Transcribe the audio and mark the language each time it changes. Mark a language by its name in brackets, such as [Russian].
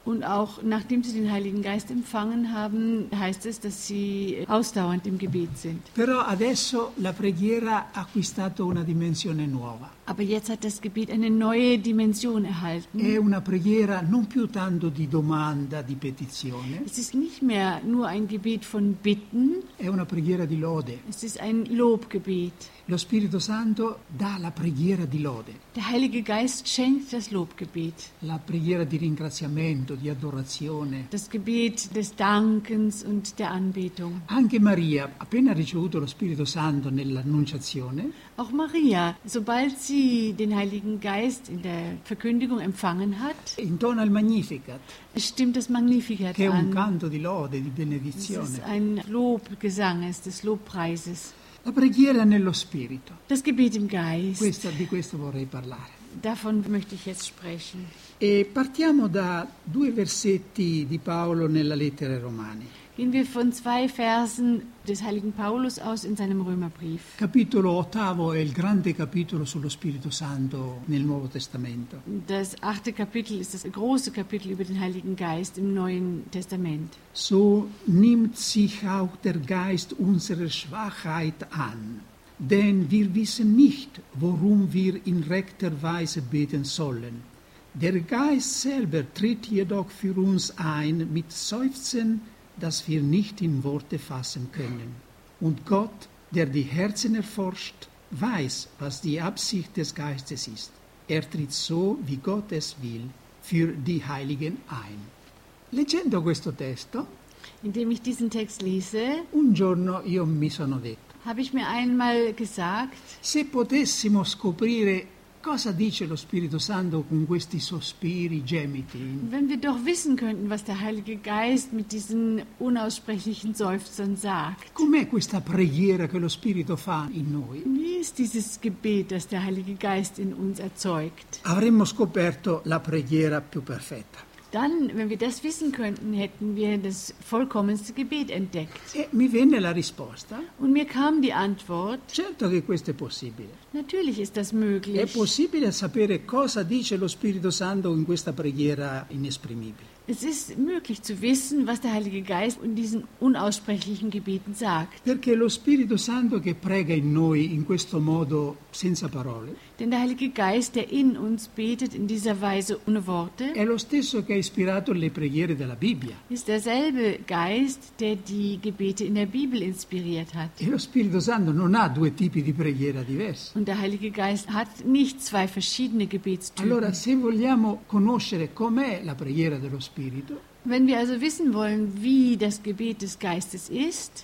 [German] Und auch nachdem sie den Heiligen Geist empfangen haben, heißt es, dass sie ausdauernd im Gebet sind. [Italian] Però adesso la preghiera ha acquistato una dimensione nuova. [German] Aber jetzt hat das Gebet eine neue Dimension erhalten. [Italian] È una preghiera non più tanto di domanda, di petizione. [German] Es ist nicht mehr nur ein Gebet von Bitten. [Italian] È una preghiera di lode. [German] Es ist ein Lobgebet. [Italian] Lo Spirito Santo dà la preghiera di lode. [German] Der Heilige Geist schenkt das Lobgebet. [Italian] La preghiera di ringraziamento, di adorazione. [German] Das Gebet des Dankens und der Anbetung. [Italian] Anche Maria, appena ricevuto lo Spirito Santo nell'Annunciazione. [German] Auch Maria, sobald sie den Heiligen Geist in der Verkündigung empfangen hat. [Italian] Intona il Magnificat. [German] Stimmt das Magnificat an. [Italian] Che è un canto di lode, di benedizione. [German] Es ist ein Lobgesang, es ist des Lobpreises. [Italian] La preghiera nello spirito. [German] Das Gebet im Geist. [Italian] Di questo vorrei parlare. [German] Davon möchte ich jetzt sprechen. [Italian] E partiamo da due versetti di Paolo nella lettera ai Romani. [German] Gehen wir von zwei Versen des heiligen Paulus aus in seinem Römerbrief. [Italian] Capitolo ottavo è il grande capitolo sullo Spirito Santo nel Nuovo Testamento. [German] Das achte Kapitel ist das große Kapitel über den Heiligen Geist im Neuen Testament. So nimmt sich auch der Geist unsere Schwachheit an. Denn wir wissen nicht, worum wir in rechter Weise beten sollen. Der Geist selber tritt jedoch für uns ein mit Seufzen, das wir nicht in Worte fassen können. Und Gott, der die Herzen erforscht, weiß, was die Absicht des Geistes ist. Er tritt so, wie Gott es will, für die Heiligen ein. [Italian] Leggendo questo testo, [German] indem ich diesen Text lese, [Italian] un giorno io mi sono detto, [German] habe ich mir einmal gesagt, [Italian] se potessimo scoprire cosa dice lo Spirito Santo con questi sospiri, gemiti? [German] Wenn wir doch wissen könnten, was der Heilige Geist mit diesen unaussprechlichen Seufzern sagt. [Italian] Com'è questa preghiera che lo Spirito fa in noi? [German] Wie ist dieses Gebet, das der Heilige Geist in uns erzeugt? [Italian] Avremmo scoperto la preghiera più perfetta. [German] Dann, wenn wir das wissen könnten, hätten wir das vollkommenste Gebet entdeckt. [Italian] E mi venne la risposta. [German] Und mir kam die Antwort. [Italian] Certo che questo è possibile. [German] Natürlich ist das möglich. [Italian] È possibile sapere cosa dice lo Spirito Santo in questa preghiera inesprimibile. [German] Es ist möglich zu wissen, was der Heilige Geist in diesen unaussprechlichen Gebeten sagt. [Italian] Perché lo Spirito Santo che prega in noi in questo modo senza parole. [German] Denn der Heilige Geist, der in uns betet in dieser Weise ohne Worte. [Italian] È lo stesso che ha ispirato le preghiere della Bibbia. [German] Ist derselbe Geist, der die Gebete in der Bibel inspiriert hat. [Italian] E lo Spirito Santo non ha due tipi di preghiera diverse. [German] Und der Heilige Geist hat nicht zwei verschiedene Gebetstypen. [Italian] Allora, se vogliamo conoscere com'è la preghiera dello Spirito. [German] Wenn wir also wissen wollen, wie das Gebet des Geistes ist,